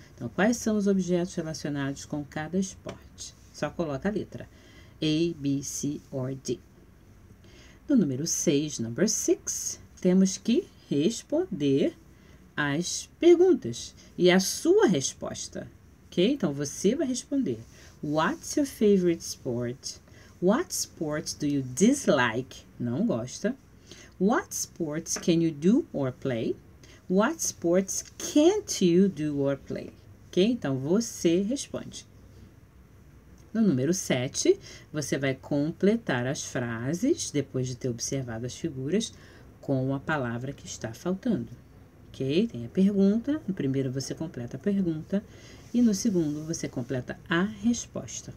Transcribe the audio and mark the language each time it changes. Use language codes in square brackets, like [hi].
[pt] Então, quais são os objetos relacionados com cada esporte? Só coloca a letra. A, B, C or D. No número 6, number 6, temos que responder as perguntas e a sua resposta, ok? Então, você vai responder. [en] What's your favorite sport? What sports do you dislike? [pt] Não gosta. [en] What sports can you do or play? What sports can't you do or play? [pt] Ok? Então, você responde. No número 7, você vai completar as frases, depois de ter observado as figuras, com a palavra que está faltando. Ok? Tem a pergunta. No primeiro, você completa a pergunta. E no segundo, você completa a resposta.